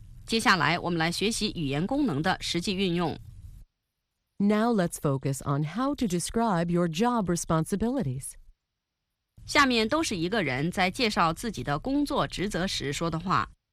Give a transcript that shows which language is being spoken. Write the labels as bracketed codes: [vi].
[zh] 接下来我们来学习语言功能的实际运用。 [en] Now let's focus on how to describe your job responsibilities. [zh] 下面都是一个人在介绍自己的工作职责时说的话。